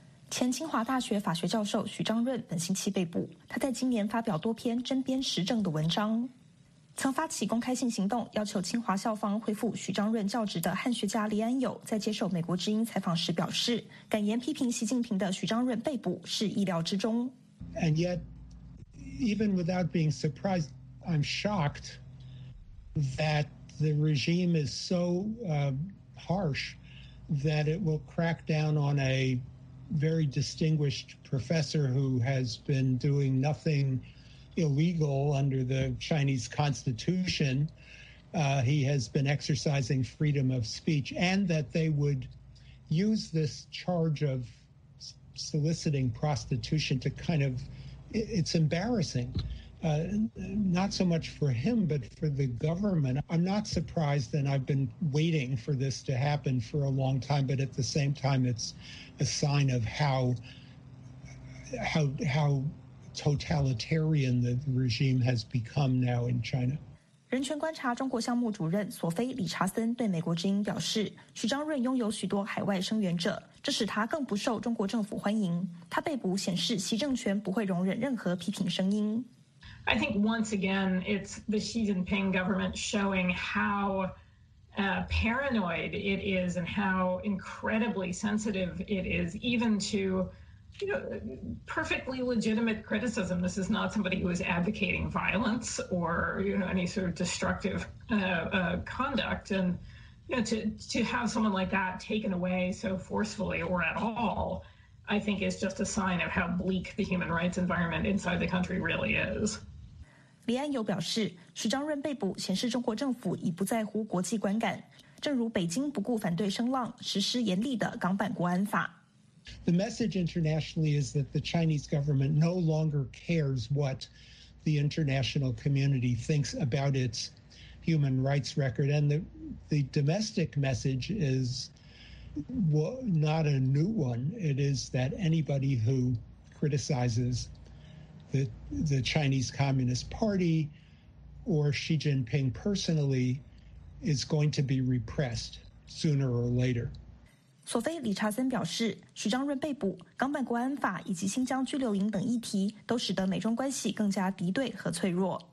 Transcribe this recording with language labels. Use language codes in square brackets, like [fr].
[zh] 前清华大学法学教授许章润本星期被捕，他在今年发表多篇针砭时政的文章。曾发起公开性行动要求清华校方恢复许章润教职的汉学家黎安友在接受美国之音采访时表示，敢言批评习近平的许章润被捕是意料之中。 [en] And yetEven without being surprised, I'm shocked that the regime is so harsh that it will crack down on a very distinguished professor who has been doing nothing illegal under the Chinese constitution. He has been exercising freedom of speech, and that they would use this charge of soliciting prostitution to kind of, it's embarrassing. Not so much for him, but for the government. I'm not surprised, and I've been waiting for this to happen for a long time, but at the same time, it's a sign of how totalitarian the regime has become now in China. [zh] 人权观察中国项目主任索菲·理查森对美国之音表示，许章润拥有许多海外声援者，这使他更不受中国政府欢迎。他被捕显示习政权不会容忍任何批评声音。 [en] I think once again, it's the Xi Jinping government showing how paranoid it is and how incredibly sensitive it is, even to, you know, perfectly legitimate criticism. This is not somebody who is advocating violence or, you know, any sort of destructive conduct. And, you know, to have someone like that taken away so forcefully or at all, I think is just a sign of how bleak the human rights environment inside the country really is. [zh] 李安友表示，许章润被捕显示中国政府已不在乎国际观感，正如北京不顾反对声浪，实施严厉的港版国安法。 [en] The message internationally is that the Chinese government no longer cares what the international community thinks about its human rights record. And the domestic message is not a new one. It is that anybody who criticizes the Chinese Communist Party or Xi Jinping personally is going to be repressed sooner or later. [zh] 索菲·理查森表示，许章润被捕、港版国安法以及新疆拘留营等议题都使得美中关系更加敌对和脆弱。